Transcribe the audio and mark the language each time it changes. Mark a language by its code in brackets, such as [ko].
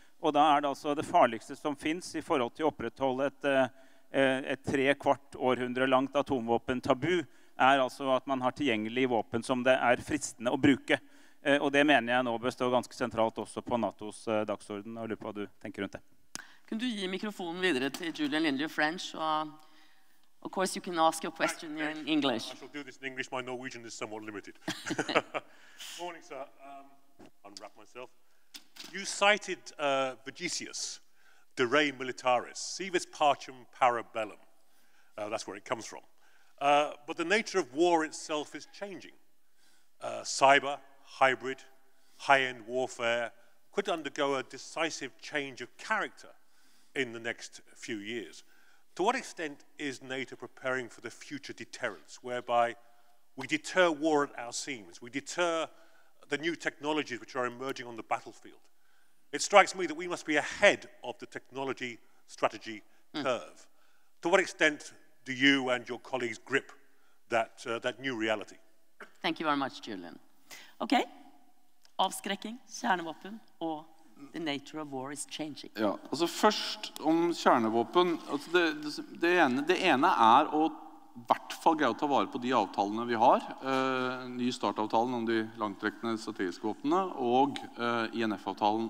[no] Og da det altså det farligste som finnes I forhold til å opprettholde et 3/4 århundre langt atomvåpen tabu, altså at man har tilgjengelig våpen som det fristende å bruke. Og det mener jeg nå bør stå ganske sentralt også på NATOs dagsorden, og lurer på hva du tenker rundt det. Kan du gi mikrofonen videre til Julian Lindley-French? [en] Of course, you can ask your question in English. I shall do this in English. My Norwegian is somewhat limited. Morning, sir. Unwrap myself. You cited Vegesius, de re militaris, civis pacem parabellum. That's where it comes from. But the nature of war itself is changing. Cyber, hybrid, high-end warfare could undergo a decisive change of character in the next few years. To what extent is NATO preparing for the future deterrence, whereby we deter war at our seams, we deter the new technologies which are emerging on the battlefield? It strikes me that we must be ahead of the technology strategy curve. Mm. To what extent do you and your colleagues grip that, that new reality? Thank you very much, Julian. Okay. [no] Avskrekking, kjernevåpen og... [en] The nature of war is changing. [no] Ja, altså først om kjernevåpen, altså det ene å I hvert fall greie å ta vare på de avtalene vi har, ny startavtalen om de langtrekkende strategiske våpnene og INF-avtalen.